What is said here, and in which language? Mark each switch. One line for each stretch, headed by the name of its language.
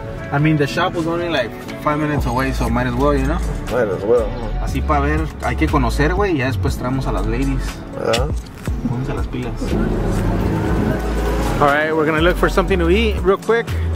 English: I mean, the shop was only like 5 minutes away, so might as well, you know? Might as well.
Spanish: Así para ver, hay que conocer, güey, y ya después traemos a las ladies. ¿Verdad? Pónganse las pilas.
English: Alright, we're gonna look for something to eat real quick.